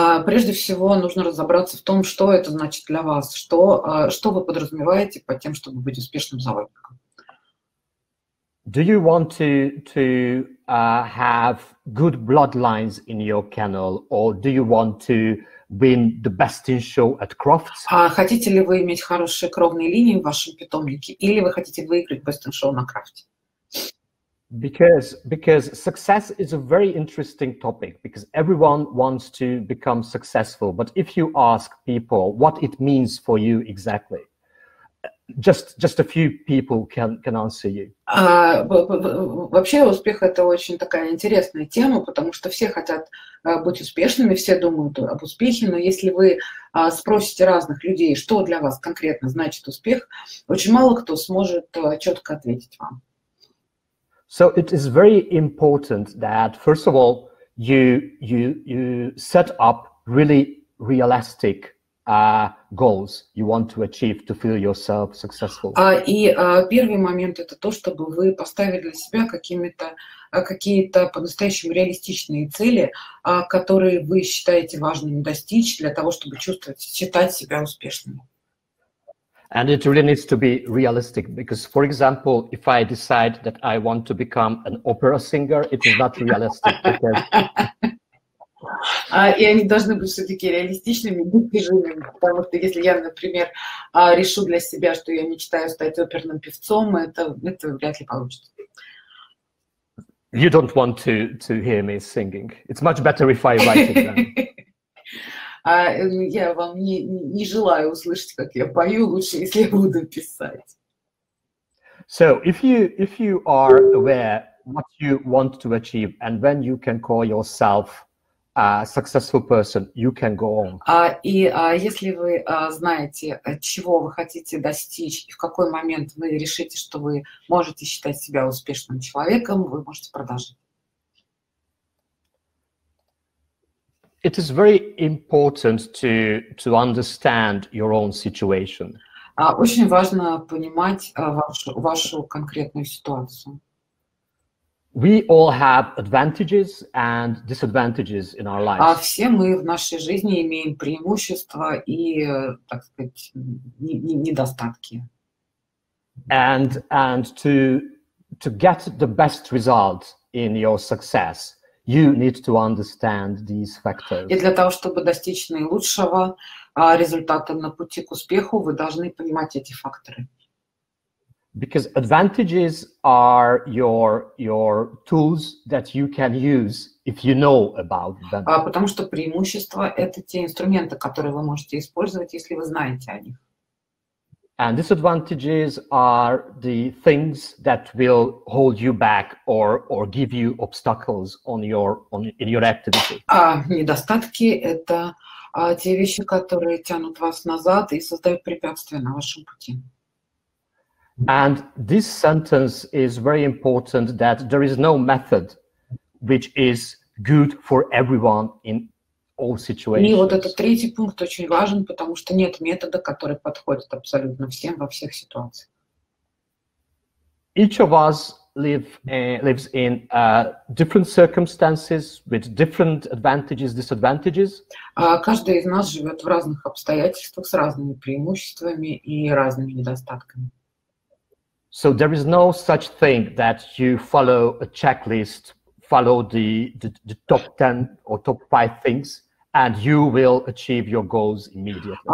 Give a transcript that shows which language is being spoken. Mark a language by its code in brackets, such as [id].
[ru] Прежде всего, нужно разобраться в том, что это значит для вас, что вы подразумеваете под тем, чтобы быть успешным заводчиком. [en] Do you want to have good bloodlines in your kennel, or do you want to win the best in show at Crofts? [ru] Хотите ли вы иметь хорошие кровные линии в вашем питомнике, или вы хотите выиграть best in show на Крофте? [en] Because success is a very interesting topic, because everyone wants to become successful. But if you ask people what it means for you exactly, just a few people can answer you. [ru] Вообще успех это очень такая интересная тема, потому что все хотят быть успешными, все думают об успехе, но если вы спросите разных людей, что для вас конкретно значит успех, очень мало кто сможет четко ответить вам. [en] So it is very important that, first of all, you set up really realistic goals you want to achieve to feel yourself successful. [ru] Первый момент – это то, чтобы вы поставили для себя какие-то по-настоящему реалистичные цели, которые вы считаете важными достичь для того, чтобы считать себя успешным. [en] And it really needs to be realistic, because, for example, if I decide that I want to become an opera singer, it is not realistic. [ru] И они должны быть все-таки реалистичными, достижимыми, потому что если я, например, решу для себя, что я мечтаю стать оперным певцом, это вряд ли получится. [en] You don't want to hear me singing. It's much better if I write it down. [ru] Я вам не желаю услышать, как я пою, лучше, если я буду писать. [en] So, if you are aware what you want to achieve and when you can call yourself a successful person, you can go on. [ru] Если вы знаете, чего вы хотите достичь и в какой момент вы решите, что вы можете считать себя успешным человеком, вы можете продолжить. [en] It is very important to understand your own situation. [ru] Очень важно понимать вашу конкретную ситуацию. [en] We all have advantages and disadvantages in our lives. [ru] Все мы в нашей жизни имеем преимущества и, так сказать, недостатки. [en] And to get the best result in your success, you need to understand these factors. [ru] И для того, чтобы достичь наилучшего результата на пути к успеху, вы должны понимать эти факторы. [en] Because advantages are your tools that you can use if you know about them. [ru] Потому что преимущества — это те инструменты, которые вы можете использовать, если вы знаете о них. [en] And disadvantages are the things that will hold you back or give you obstacles in your activity. [ru] Недостатки — это те вещи, которые тянут вас назад и создают препятствия на вашем пути. [en] And this sentence is very important that there is no method which is good for everyone in all situations. [ru] И вот этот третий пункт очень важен, потому что нет метода, который подходит абсолютно всем во всех ситуациях. [en] Each of us lives in different circumstances with different advantages, disadvantages. [ru] Каждый из нас живет в разных обстоятельствах с разными преимуществами и разными недостатками. [en] So there is no such thing that you follow a checklist, follow the top 10 or top 5 things, and you will achieve your goals immediately.